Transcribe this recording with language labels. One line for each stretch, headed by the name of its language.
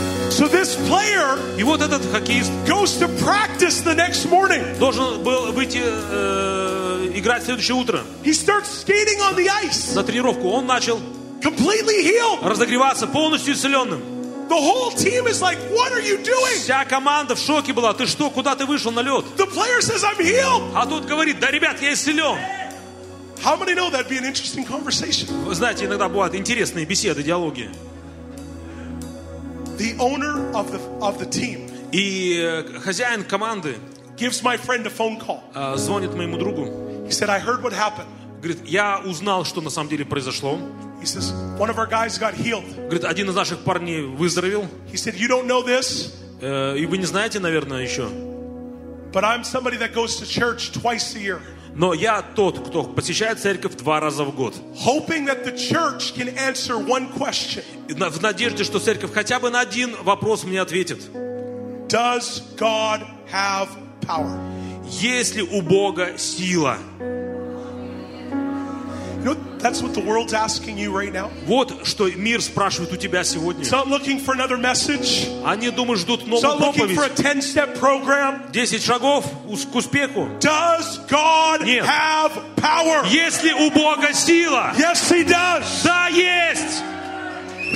English: So this player.
Russian: И вот этот хоккеист.
English: Goes to practice the next morning.
Russian: Должен был выйти играть следующее утро.
English: He starts skating on the ice.
Russian: На тренировку он начал.
English: Completely healed.
Russian: Разогреваться полностью исцеленным.
English: The whole team is like, "What are you doing?"
Russian: Вся команда в шоке была. Ты что, куда ты вышел на лед?
English: The player says, "I'm healed."
Russian: А тот говорит: "Да, ребят, я исцелен."
English: How many know that'd be an interesting conversation?
Russian: Вы знаете, иногда бывают интересные беседы, диалоги.
English: The owner of the team.
Russian: И хозяин команды
English: gives my friend a phone call.
Russian: Звонит моему другу.
English: He said, "I heard what happened."
Russian: Говорит, я узнал, что на самом деле произошло.
English: He says, one of our guys got healed.
Russian: Говорит, один из наших парней выздоровел.
English: He said, you don't know this.
Russian: И вы не знаете, наверное, еще.
English: But I'm somebody that goes to church twice a year.
Russian: Но я тот, кто посещает церковь два раза в год.
English: Hoping that the church can answer one question.
Russian: В надежде, что церковь хотя бы на один вопрос мне ответит.
English: Does God have power?
Russian: Есть ли у Бога сила?
English: You know, that's what the world's asking you right now.
Russian: Вот что мир спрашивает у тебя сегодня.
English: It's not looking for another message.
Russian: Они думают, ждут новую проповедь.
English: It's not looking for a 10-step program.
Russian: 10 шагов к успеху.
English: Does God have power?
Russian: Есть ли у Бога сила?
English: Yes, He does.
Russian: Да, есть.